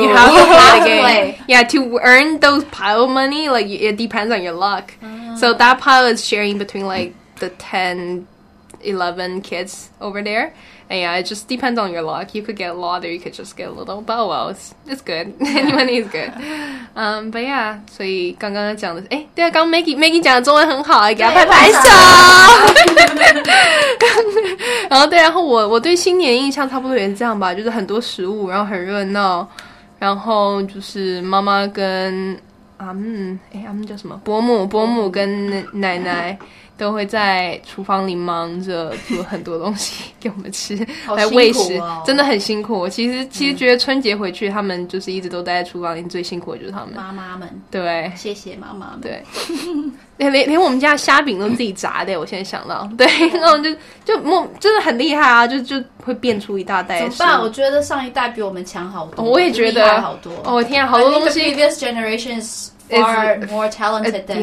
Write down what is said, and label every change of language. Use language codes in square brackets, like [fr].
[en] You have to play the game. Yeah, to earn those pile of money, like, it depends on your luck. So that pile is sharing between, like, the 10, 11 kids over there. And yeah, it just depends on your luck. You could get a lot or you could just get a little. But oh well, it's good. Any money is good. But yeah, so you [zh] 刚刚讲的诶对啊刚 Maggie 讲的中文很好给他拍拍手然后对然后我对新年印象差不多也是这样吧，就是很多食物，然后很热闹，然后就是妈妈跟叫什么伯母跟奶奶都会在厨房里忙着做很多东西给我们吃来喂食，真的很辛苦。其实觉得春节回去他们就是一直都待在厨房里，最辛苦的就是他们妈妈们。对，谢谢妈妈们。对，连我们家虾饼都自己炸的，我现在想到，对，那种就真的很厉害啊，就会变出一大袋。怎么办？我觉得上一代比我们强好多，我也觉得好多。哦天啊，好多东西。 [en] I think the previous generation is far more talented than